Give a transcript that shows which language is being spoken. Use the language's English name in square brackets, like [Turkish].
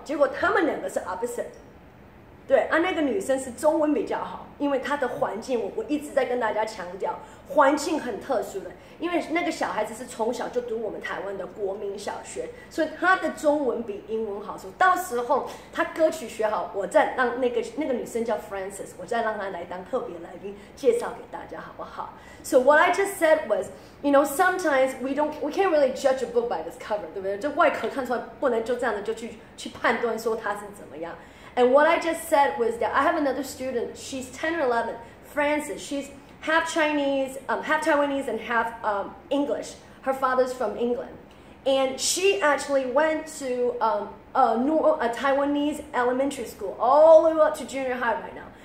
[Chinese] 结果他们两个是 opposite， 对啊，那个女生是中文比较好，因为她的环境，我一直在跟大家强调，环境很特殊的，因为那个小孩子是从小就读我们台湾的国民小学，所以他的中文比英文好，所以到时候他歌曲学好，我再让那个女生叫 Frances， 我再让她来当特别来宾介绍给大家，好不好？ [English] So what I just said was, you know, sometimes we can't really judge a book by its cover， [Chinese] 对不对？就外壳看出来，不能就这样的就去判断说他是怎么样。 [English] And what I just said was that I have another student, she's 10 or 11, Frances, she'sHalf Chinese, half Taiwanese and half English. Her father's from England. And she actually went to a Taiwanese elementary school all the way up to junior high right now.